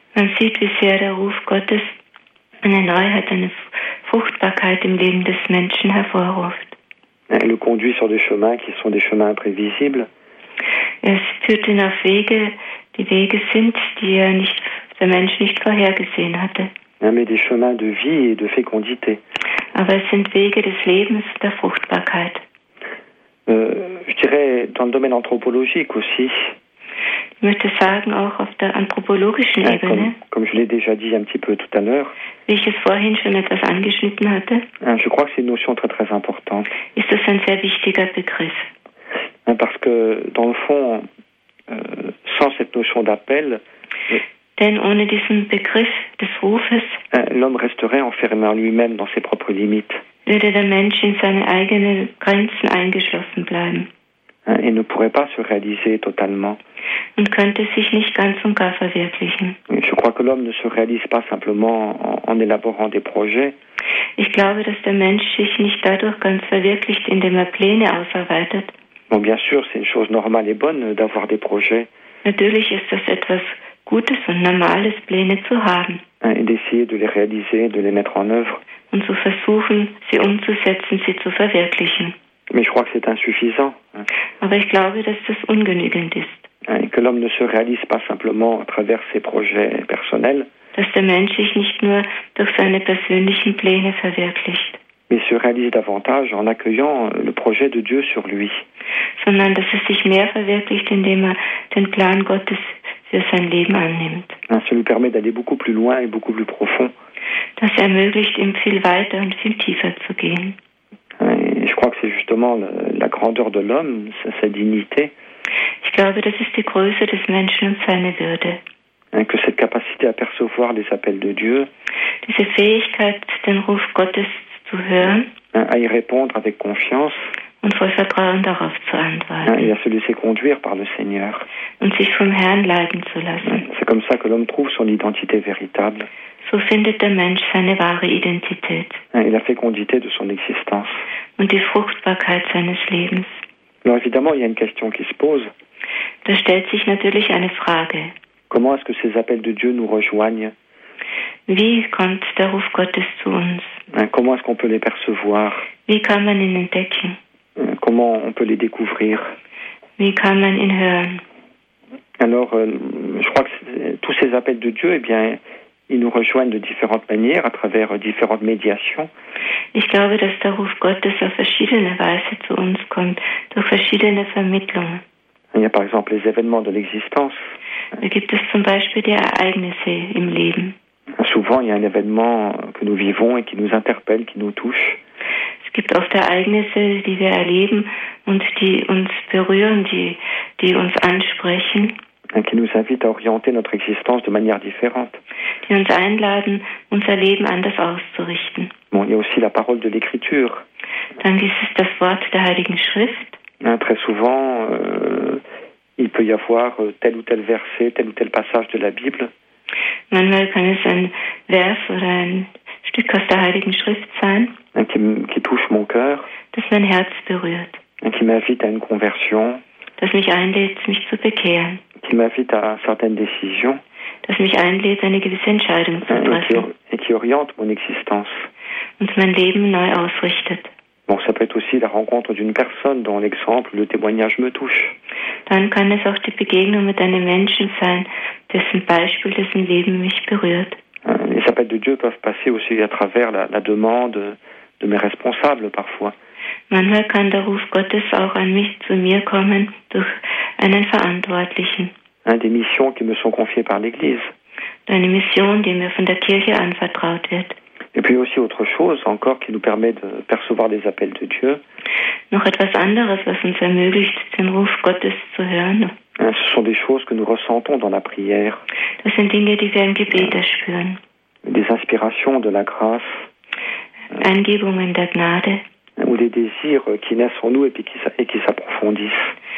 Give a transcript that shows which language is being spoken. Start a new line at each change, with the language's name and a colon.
German: Man sieht, wie sehr der Ruf Gottes eine Neuheit, eine Fruchtbarkeit im Leben des Menschen hervorruft.
French: Il le conduit sur des chemins qui sont des chemins imprévisibles.
German: Er führt ihn auf Wege, die Wege sind, die der Mensch nicht vorhergesehen hatte.
French: Mais des chemins de vie et de fécondité.
German: Aber es sind Wege des Lebens, der Fruchtbarkeit.
French: Je dirais dans le domaine anthropologique aussi.
German: Ich möchte sagen, auch auf der anthropologischen Ebene.
French: Comme je l'ai déjà dit un petit peu tout à l'heure.
German: Wie ich es vorhin schon etwas angeschnitten hatte.
French: Je crois que c'est une notion très très importante.
German: Ist das ein sehr wichtiger Begriff.
French: Parce que dans le fond, sans cette notion d'appel,
German: denn ohne diesen Begriff des Rufes,
French: l'homme resterait enfermé en lui-même dans ses propres limites.
German: Würde der Mensch in seine eigenen Grenzen eingeschlossen bleiben.
French: Et ne pourrait pas se réaliser totalement.
German: Und könnte sich nicht ganz und gar verwirklichen.
French: Je crois que l'homme ne se réalise pas simplement en élaborant des projets.
German: Ich glaube, dass der Mensch sich nicht dadurch ganz verwirklicht, indem Pläne ausarbeitet.
French: Bon, bien sûr, c'est une chose normale et bonne d'avoir des projets.
German: Natürlich ist das etwas Gutes und Normales, Pläne zu haben.
French: Et d'essayer de les réaliser, de les mettre en œuvre.
German: Und zu versuchen, sie umzusetzen, sie zu verwirklichen.
French: Mais je crois que c'est insuffisant.
German: Aber ich glaube, dass das ungenügend ist.
French: Et que l'homme ne se réalise pas simplement à travers ses projets personnels.
German: Dass der Mensch sich nicht nur durch seine persönlichen Pläne verwirklicht.
French: Mais se réalise davantage en accueillant le projet de Dieu sur lui.
German: Sondern dass es sich mehr verwirklicht, indem er den Plan Gottes für sein Leben annimmt.
French: Ça lui permet d'aller beaucoup plus loin et beaucoup plus profond.
German: Das ermöglicht ihm viel weiter und viel tiefer zu gehen.
French: Et je crois que c'est justement la grandeur de l'homme, sa dignité.
German: Ich glaube, das ist die Größe des Menschen und seine Würde.
French: Que cette capacité à percevoir les appels de Dieu,
German: diese Fähigkeit, den Ruf Gottes zu hören,
French: à y répondre avec confiance,
German: und voll Vertrauen darauf zu antworten,
French: et à se laisser conduire par le Seigneur,
German: und sich vom Herrn leiten zu lassen.
French: C'est comme ça que l'homme trouve son identité véritable.
German: So findet der Mensch seine wahre Identität.
French: Et la fécondité de son existence.
German: Und die Fruchtbarkeit seines Lebens.
French: Alors évidemment, il y a une question qui se pose.
German: Da stellt sich natürlich eine Frage.
French: Comment est-ce que ces appels de Dieu nous rejoignent?
German: Wie kommt der Ruf Gottes zu uns?
French: Comment est-ce qu'on peut les percevoir?
German: Wie kann man ihn entdecken?
French: Comment on peut les découvrir?
German: Wie kann man ihn hören?
French: Alors, je crois que tous ces appels de Dieu, eh bien, ils nous rejoignent de différentes manières, à travers différentes médiations.
German: Ich glaube, dass der Ruf Gottes auf verschiedene Weise zu uns kommt, durch verschiedene Vermittlungen.
French: Il y a par exemple les événements de l'existence.
German: Da gibt es zum Beispiel die Ereignisse im Leben.
French: Souvent, il y a un événement que nous vivons et qui nous interpelle, qui nous touche.
German: Es gibt oft Ereignisse, die wir erleben und die uns berühren, die uns ansprechen.
French: Et qui nous invitent à orienter notre existence de manière différente.
German: Die uns einladen, unser Leben anders auszurichten.
French: Bon, il y a aussi la parole de l'Écriture.
German: Dann gibt es das Wort der Heiligen Schrift.
French: Très souvent, il peut y avoir tel ou tel verset, tel ou tel passage de la Bible.
German: Manchmal kann es ein Vers oder ein Stück aus der Heiligen Schrift sein.
French: Qui touche mon cœur.
German: Das mein Herz berührt.
French: Qui m'invite à une conversion.
German: Das mich einlädt, mich zu bekehren.
French: Qui m'invite à certaines décisions.
German: Das mich einlädt, eine gewisse Entscheidung zu treffen.
French: Et qui oriente mon existence.
German: Und mein Leben neu ausrichtet.
French: Bon, ça peut être aussi la rencontre d'une personne dont l'exemple, le témoignage me touche.
German: Dann kann es auch die Begegnung mit einem Menschen sein, dessen Beispiel, dessen Leben mich berührt.
French: Les appels de Dieu peuvent passer aussi à travers la demande de mes responsables parfois.
German: Manchmal kann der Ruf Gottes auch an mich zu mir kommen durch einen Verantwortlichen.
French: Des missions qui me sont confiées par l'Église.
German: Eine Mission, die mir von der Kirche anvertraut wird.
French: Et puis aussi autre chose encore qui nous permet de percevoir les appels de Dieu.
German: Noch etwas anderes, was uns ermöglicht, den Ruf Gottes zu hören.
French: Ce sont des choses que nous ressentons dans la prière.
German: Das sind Dinge, die wir im Gebet erspüren.
French: Des inspirations de la grâce.
German: Eingebungen der Gnade.
French: Ou des désirs qui naissent en nous et qui s'approfondissent.